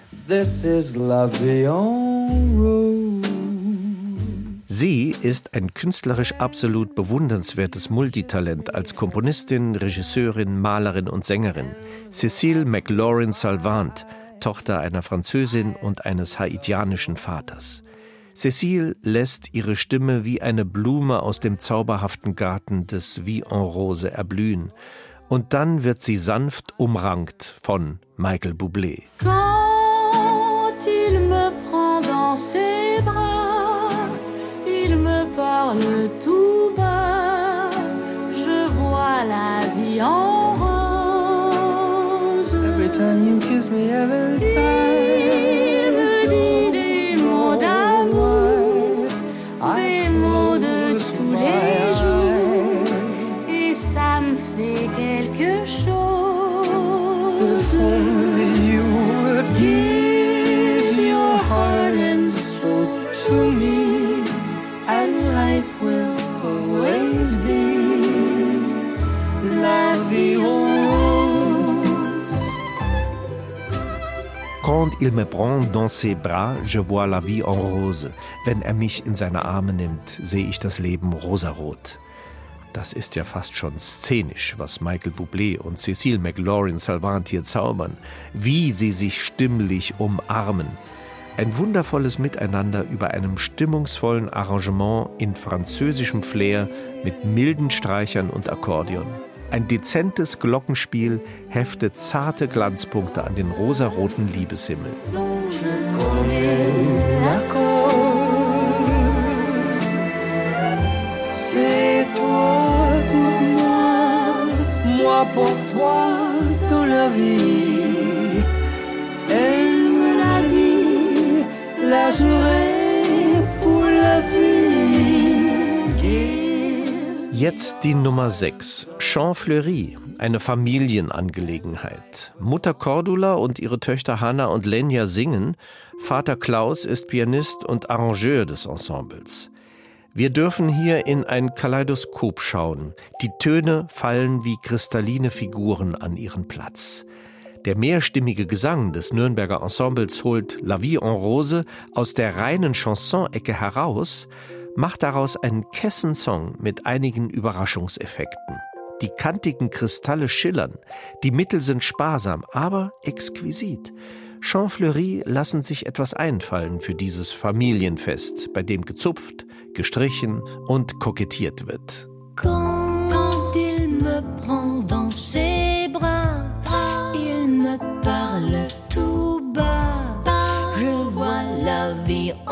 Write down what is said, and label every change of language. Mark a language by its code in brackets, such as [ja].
[en] This is love beyond rose. [de] Sie ist ein künstlerisch absolut bewundernswertes Multitalent als Komponistin, Regisseurin, Malerin und Sängerin. Cécile McLaurin-Salvant, Tochter einer Französin und eines haitianischen Vaters. Cécile lässt ihre Stimme wie eine Blume aus dem zauberhaften Garten des Vie en Rose erblühen. Und dann wird sie sanft umrankt von Michael Bublé. [fr] Quand il me prend dans ses bras, parle tout bas, je vois la vie en rose. [en] Every time you kiss me, heaven sighs. [fr] Il me dit des mots d'amour, des mots de tous les jours, et ça me fait quelque chose. Quand il me prend dans ses bras, je vois la vie en rose. [de] Wenn er mich in seine Arme nimmt, sehe ich das Leben rosarot. Das ist ja fast schon szenisch, was Michael Bublé und Cécile McLaurin-Salvant hier zaubern. Wie sie sich stimmlich umarmen. Ein wundervolles Miteinander über einem stimmungsvollen Arrangement in französischem Flair mit milden Streichern und Akkordeon. Ein dezentes Glockenspiel heftet zarte Glanzpunkte an den rosaroten Liebeshimmel. [fr] C'est toi pour moi, moi pour toi, toute la vie. Elle me l'a dit, la jurée pour la vie. [de] Jetzt die Nummer 6. Jean Fleury, eine Familienangelegenheit. Mutter Cordula und ihre Töchter Hannah und Lenya singen. Vater Klaus ist Pianist und Arrangeur des Ensembles. Wir dürfen hier in ein Kaleidoskop schauen. Die Töne fallen wie kristalline Figuren an ihren Platz. Der mehrstimmige Gesang des Nürnberger Ensembles holt La Vie en Rose aus der reinen Chanson-Ecke heraus, macht daraus einen Kessensong mit einigen Überraschungseffekten. Die kantigen Kristalle schillern, die Mittel sind sparsam, aber exquisit. Jean Fleury lassen sich etwas einfallen für dieses Familienfest, bei dem gezupft, gestrichen und kokettiert wird. [fr] Quand il me prend dans ses bras, il me parle tout bas, je vois la vie.